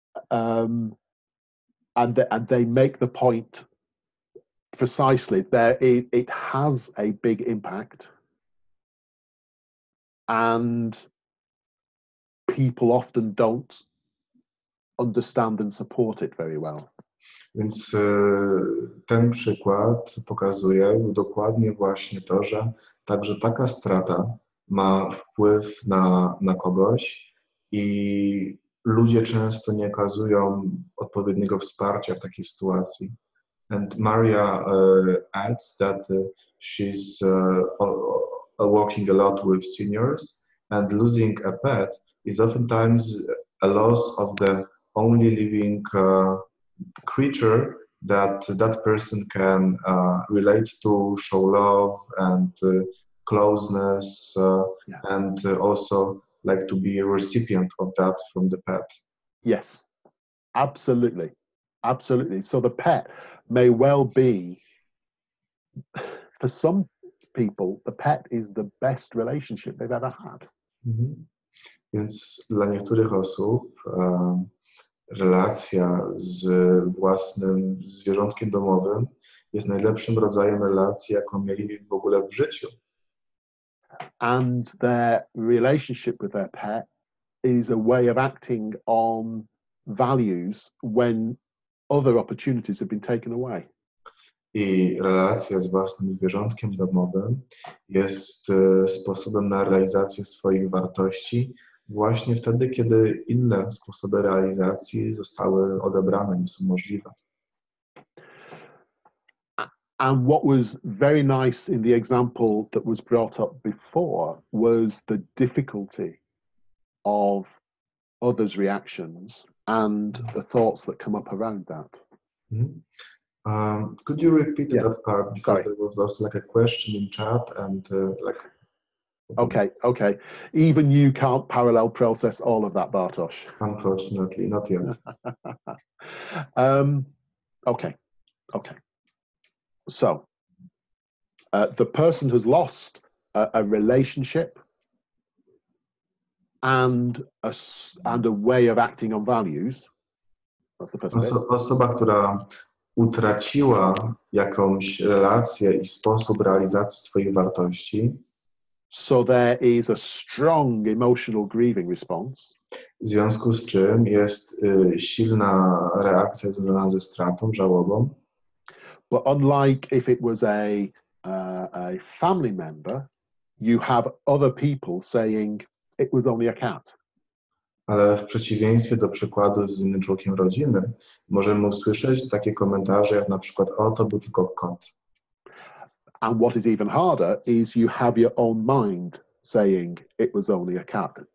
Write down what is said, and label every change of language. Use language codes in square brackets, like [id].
[en] And they make the point precisely. It has a big impact. And people often don't understand and support it very well. [pl] Więc ten przykład pokazuje dokładnie właśnie to, że także taka strata ma wpływ na kogoś i ludzie często nie okazują odpowiedniego wsparcia w takiej sytuacji. [en] And Maria adds that she's working a lot with seniors and losing a pet is oftentimes a loss of the only living creature that person can relate to, show love and closeness, yeah. And also like to be a recipient of that from the pet. Yes, absolutely. So the pet may well be, for some people, the pet is the best relationship they've ever had. Mm-hmm. [pl] Więc dla niektórych osób relacja z własnym zwierzątkiem domowym jest najlepszym rodzajem relacji, jaką mieli w ogóle w życiu. [en] And their relationship with their pet is a way of acting on values when other opportunities have been taken away. [pl] I relacja z własnym zwierzątkiem domowym jest sposobem na realizację swoich wartości właśnie wtedy, kiedy inne sposoby realizacji zostały odebrane, nie są możliwe. [en] And what was very nice in the example that was brought up before was the difficulty of others' reactions and the thoughts that come up around that. Mm-hmm. Could you repeat that part? Because there was also like a question in chat and Okay. Even you can't parallel process all of that, Bartosz. Unfortunately, not yet. Okay. So, the person has lost a relationship, and a way of acting on values. That's the first bit. [pl] Osoba, która utraciła jakąś relację i sposób realizacji swoich wartości. [en] So there is a strong emotional grieving response. [pl] W związku z czym jest silna reakcja związana ze stratą, żałobą. [en] But unlike if it was a family member, you have other people saying it was only a cat. [pl] Ale w przeciwieństwie do przykładu z innym członkiem rodziny, możemy usłyszeć takie komentarze jak na przykład o, to był tylko kot. [en] And what is even harder is you have your own mind saying it was only a cat.